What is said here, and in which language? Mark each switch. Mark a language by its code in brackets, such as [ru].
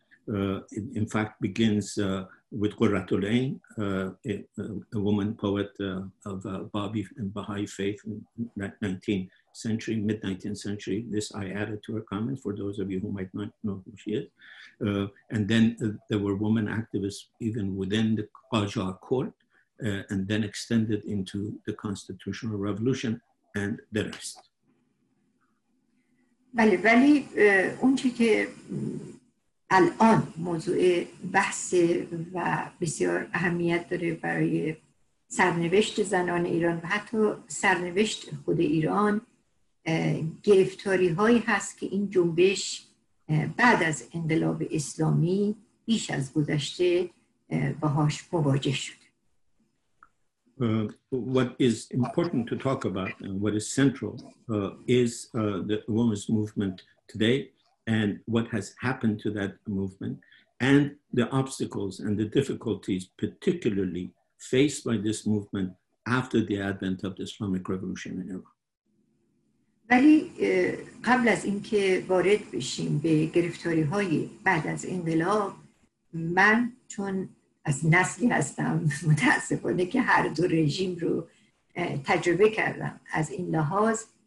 [en] It in fact begins with Qurratulain, a woman poet of Babi and Baha'i faith in the 19th century, mid-19th century. This I added to her comments for those of you who might not know who she is. And then there were women activists even within the Qajar court. and then extended into the Constitutional Revolution and the rest. [fa] بله ولی اون چی که الان موضوع بحث و بسیار اهمیت داره برای سرنوشت زنان ایران و حتی سرنوشت خود ایران گرفتاری هایی هست که این جنبش بعد از انقلاب اسلامی بیش از گذشته باهاش مواجه شد. [en] What is important to talk about and what is central is the women's movement today and what has happened to that movement and the obstacles and the difficulties particularly faced by this movement after the advent of the Islamic Revolution in Iran. [fa] ولی قبل از اینکه وارد بشیم به گرفتاری های بعد از انقلاب من چون از نسلی هستم متاسفانه که هر دو رژیم رو تجربه کردم از این لحاظ